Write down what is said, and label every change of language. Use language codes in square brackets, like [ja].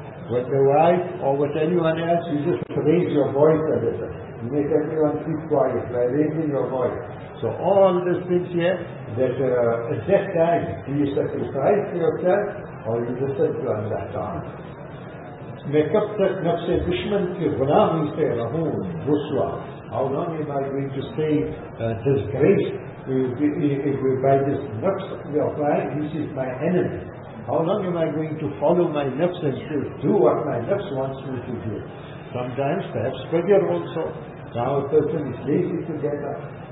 [en] With the wife or with anyone else, you just raise your voice a little. You make everyone keep quiet by raising your voice. So all these things here, that at that time, do you sacrifice yourself or you listen to Allah Ta'ala? [ur] میں کب تک نفس دشمن کے غلامی سے رہوں رسوا. [en] How long am I going to stay disgraced by this nafs of mine, this is my enemy? How long am I going to follow my nafs and still do what my nafs wants me to do? Sometimes perhaps fajr also. Now a person is lazy to get up.